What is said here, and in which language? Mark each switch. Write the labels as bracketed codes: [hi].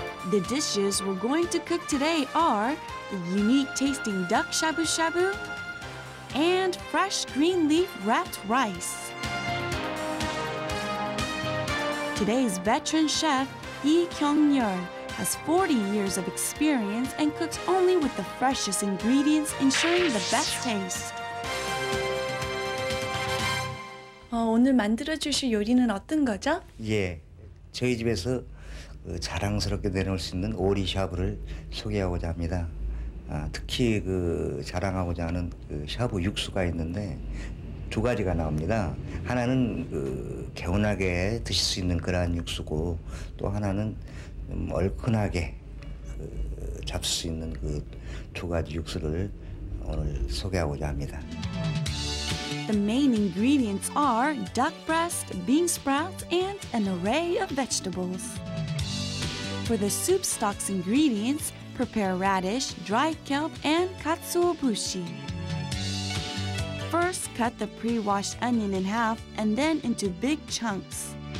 [en] The dishes we're going to cook today are the unique tasting duck shabu-shabu and fresh green leaf wrapped rice. Today's veteran chef, Lee Kyung-yeol, has 40 years of experience and cooks only with the freshest ingredients, ensuring the best taste. [ko] 오늘 만들어 주실 요리는 어떤 거죠? 예, 저희 집에서 자랑스럽게 내놓을 수 있는 오리 샤브를 소개하고자 합니다. 특히 그 자랑하고자 하는 그 샤브 육수가 있는데 두 가지가 나옵니다. 하나는 그 개운하게 드실 수 있는 그러한 육수고 또 하나는 얼큰하게 그 잡을 수 있는 그 두 가지 육수를 오늘 소개하고자 합니다. [en] The main ingredients are duck breast, bean sprouts, and an array of vegetables. For the soup stock's ingredients, prepare radish, dried kelp, and katsuobushi. First, cut the pre-washed onion in half and then into big chunks.